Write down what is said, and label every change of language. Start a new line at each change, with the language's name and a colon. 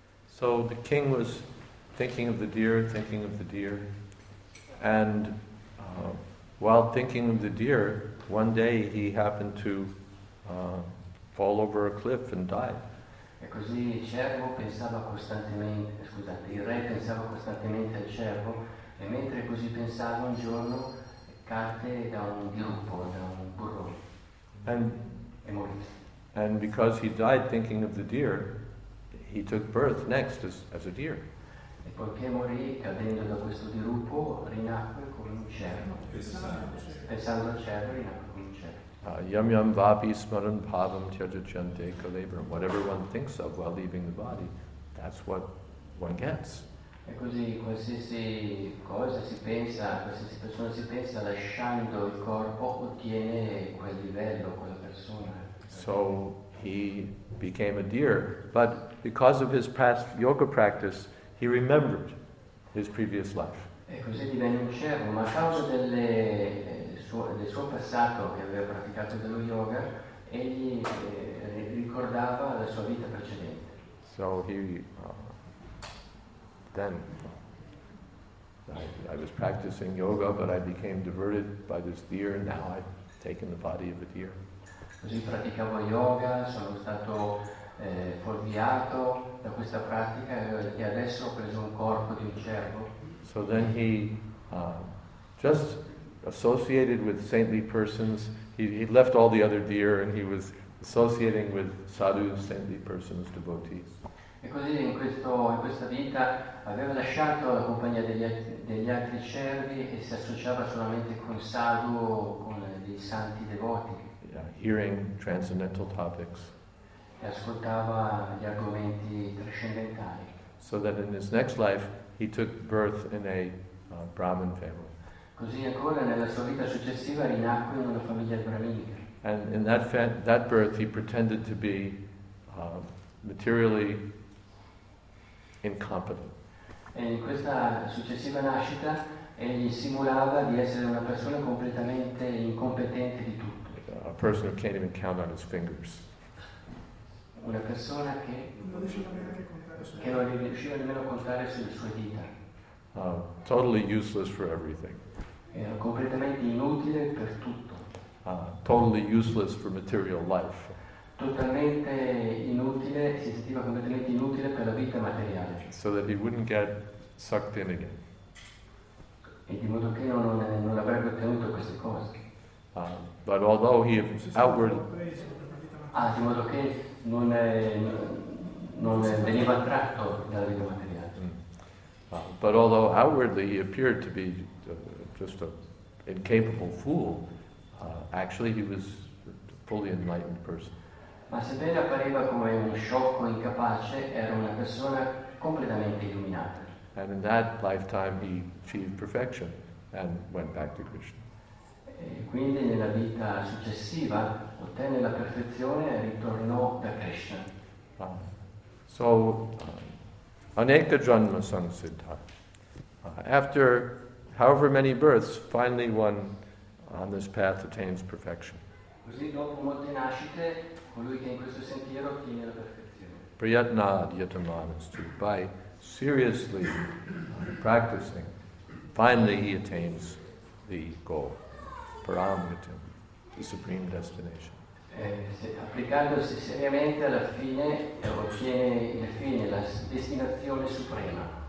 English: So the king was thinking of the deer, thinking of the deer, and while thinking of the deer, one day he happened to fall over a cliff and die.
Italian: E così il cervo pensava costantemente, scusate, il re pensava costantemente al cervo, e mentre così pensava un giorno cadde da un dirupo, da un burrone, e morì.
English: And because he died thinking of the deer, he took birth next as a deer.
Italian: E poiché morì cadendo da questo dirupo, rinacque come un cervo. Pensando al cervo, rinacque.
Sanskrit: Yam yam vapi smaran pavam tyajachyante kalebram.
English: Whatever one thinks of while leaving the body, that's what one gets.
Italian: E così qualsiasi cosa si pensa, qualsiasi persona si pensa lasciando il corpo ottiene quel livello, quella persona.
English: So he became a deer, but because of his past yoga practice, he remembered his previous life.
Italian: E così divenne un cervo, ma a causa delle del suo passato che aveva praticato dello yoga, egli ricordava la sua vita precedente.
English: So he then I was practicing yoga, but I became diverted by this deer, and now I've taken the body of a deer.
Italian: Così praticavo yoga, sono stato fuorviato da questa pratica e adesso ho preso un corpo di un cervo.
English: So then he just associated with saintly persons, he left all the other deer and he was associating with sadhus, saintly persons, devotees.
Italian: E così in questa vita aveva lasciato la compagnia degli altri cervi e si associava solamente con sadhu, con dei santi devoti.
English: Yeah, hearing transcendental topics.
Italian: E ascoltava gli argomenti trascendentali.
English: So that in his next life he took birth in a Brahmin family.
Italian: Così ancora nella sua vita successiva rinacque in una famiglia brahminica.
English: And in that birth he pretended to be materially incompetent.
Italian: E in questa successiva nascita egli simulava di essere una persona completamente incompetente di tutto.
English: A person who can't even count on his fingers.
Italian: Una persona che non riusciva nemmeno a contare sulle sue dita.
English: Totally useless for everything.
Italian: Era completamente inutile per tutto.
English: Totally useless for material life.
Italian: Totalmente inutile, si sentiva completamente inutile per la vita materiale.
English: So that he wouldn't get sucked in again.
Italian: E di modo che non avrebbe ottenuto queste cose.
English: But although he is outward,
Italian: di modo che non veniva attratto dalla vita materiale.
English: But although outwardly he appeared to be just an incapable fool, actually he was a fully enlightened person.
Italian: Ma sebbene appariva come un sciocco incapace, era una persona completamente illuminata.
English: And in that lifetime he achieved perfection and went back to Krishna.
Italian: E quindi nella vita successiva ottenne la perfezione e ritornò da Krishna.
Sanskrit: So, aneka janma sansiddha.
English: After however many births, finally one on this path attains perfection.
Italian: Così dopo molte nascite, colui che in questo sentiero ottiene la perfezione.
Sanskrit: Prayatnad yatamanastu.
English: By seriously practicing, finally he attains the goal, paramitam, the supreme destination.
Italian: Applicandosi seriamente, alla fine ottiene il fine, la destinazione suprema.